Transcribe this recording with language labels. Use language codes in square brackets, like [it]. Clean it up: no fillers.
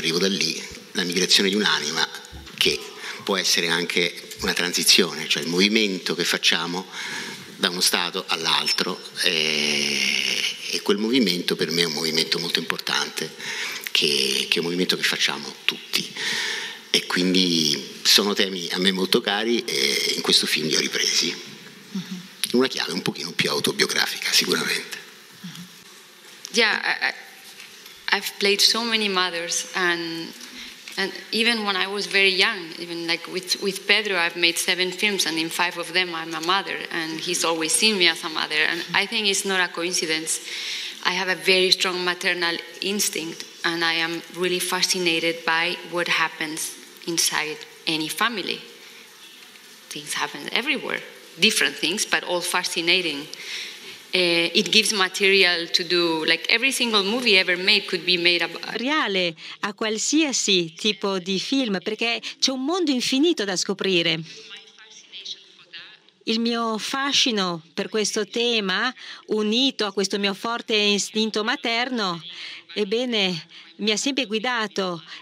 [it] Io arrivo da lì, la migrazione di un'anima che può essere anche una transizione, cioè il movimento che facciamo da uno stato all'altro, e quel movimento per me è un movimento molto importante, che è un movimento che facciamo tutti, e quindi sono temi a me molto cari, e in questo film li ho ripresi in una chiave un pochino più autobiografica, sicuramente. [en] I've played so many mothers, and even when I was very young, even like with Pedro, I've made 7 films, and in 5 of them I'm a mother, and he's always seen me as a mother. And I think it's not a coincidence. I have a very strong maternal instinct, and I am really fascinated by what happens inside any family. Things happen everywhere, different things, but all fascinating. It gives material to do, like every single movie ever made could be made about. [it] Reale a qualsiasi tipo di film, perché c'è un mondo infinito da scoprire. Il mio fascino per questo tema, unito a questo mio forte istinto materno, ebbene, mi ha sempre guidato.